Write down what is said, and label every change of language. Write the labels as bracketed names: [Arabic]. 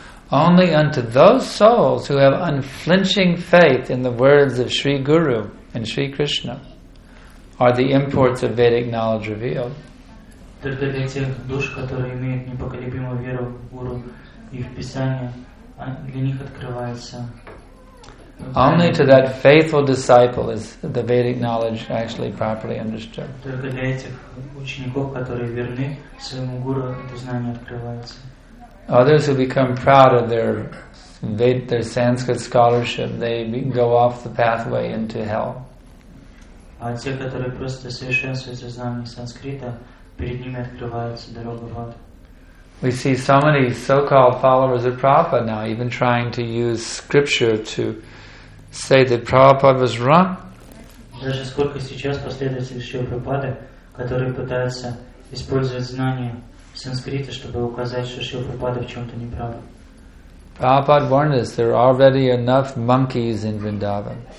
[English] Only unto those souls who have unflinching faith in the words of Sri Guru and Sri Krishna are the imports of Vedic knowledge revealed. [Russian] Только для тех душ, которые имеют непоколебимую веру в Гуру и в Писание, для них открывается. [English] Only to that faithful disciple is the Vedic knowledge actually properly understood. [Russian] Только для этих учеников, которые верны своему Гуру, это знание открывается. [English] Others who become proud of their Sanskrit scholarship, they go off the pathway into hell. [Russian] А те, которые просто совершенствуют знания санскрита, перед ними открывается дорога в ад. [English] We see so many so-called followers of Prabhupada now, even trying to use scripture to say that Prabhupada was wrong. [Russian] Даже сколько сейчас последователей Шрилы Прабхупады, которые пытаются использовать знания санскрита, чтобы указать, что Шрила Прабхупада в чем-то неправ. [English] Prabhupada warned us, there are already enough monkeys in Vrindavan.